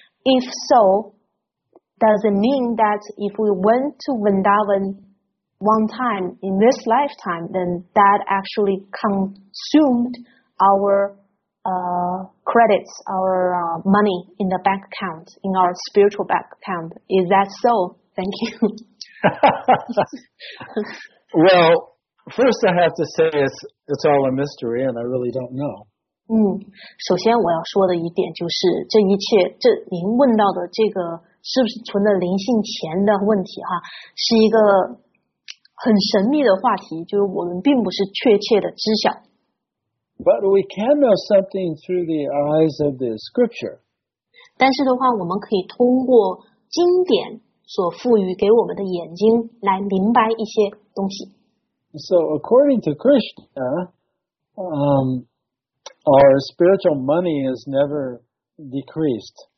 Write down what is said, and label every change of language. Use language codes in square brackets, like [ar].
[en] If so, does it mean that if we went to Vrindavan,one time in this lifetime, then that actually consumed our credits, our money in the bank account, in our spiritual bank account. Is that so? Thank you. Well, first I have to say it's all a mystery and I really don't know. [zh] 首先我要说的一点就是这一切，这您问到的这个是不是存了灵性钱的问题哈，是一个很神秘的话题，就是我们并不是确切的知晓。 [en] But we can know something through the eyes of the scripture. [zh] 但是的话，我们可以通过经典所赋予给我们的眼睛来明白一些东西。 [en] So according to Krishna, our spiritual money is never decreased.